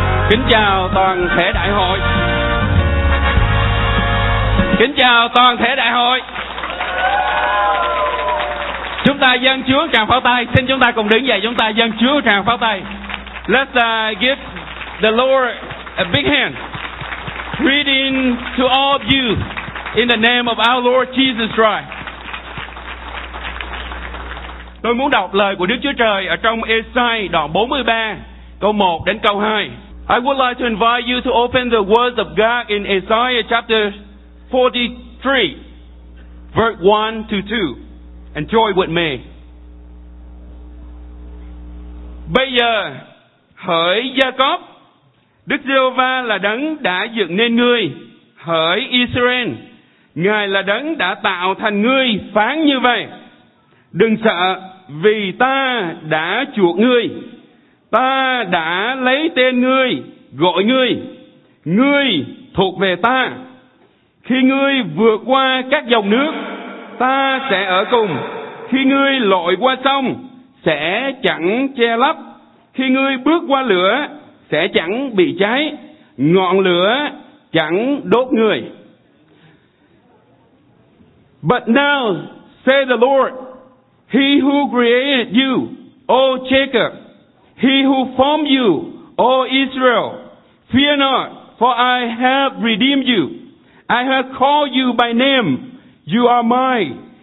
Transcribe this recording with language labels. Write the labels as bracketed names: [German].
[Vietnamese] Kính chào toàn thể đại hội. Kính chào toàn thể đại hội. Chúng ta dâng Chúa tràng pháo tay. Xin chúng ta cùng đứng dậy, chúng ta dâng Chúa tràng pháo tay. [English] Let's give the Lord a big hand. Greeting to all of you in the name of our Lord Jesus Christ. [Vietnamese] Tôi muốn đọc lời của Đức Chúa Trời ở trong Esai đoạn 43 câu 1 đến câu 2. [English] I would like to invite you to open the words of God in Isaiah chapter 43, verse 1 to 2. Enjoy with me. [Vietnamese] Bây giờ, hỡi Jacob, Đức Giê-hô-va là đấng đã dựng nên ngươi. Hỡi Israel, Ngài là đấng đã tạo thành ngươi, phán như vậy. Đừng sợ, vì ta đã chuộc ngươi. Ta đã lấy tên ngươi, gọi ngươi. Ngươi thuộc về ta. Khi ngươi vượt qua các dòng nước, ta sẽ ở cùng. Khi ngươi lội qua sông, sẽ chẳng che lấp. Khi ngươi bước qua lửa, sẽ chẳng bị cháy. Ngọn lửa chẳng đốt ngươi. [English] But now, say the Lord, He who created you, O Jacob, He who formed you, O Israel, fear not, for I have redeemed you. I have called you by name. You are mine.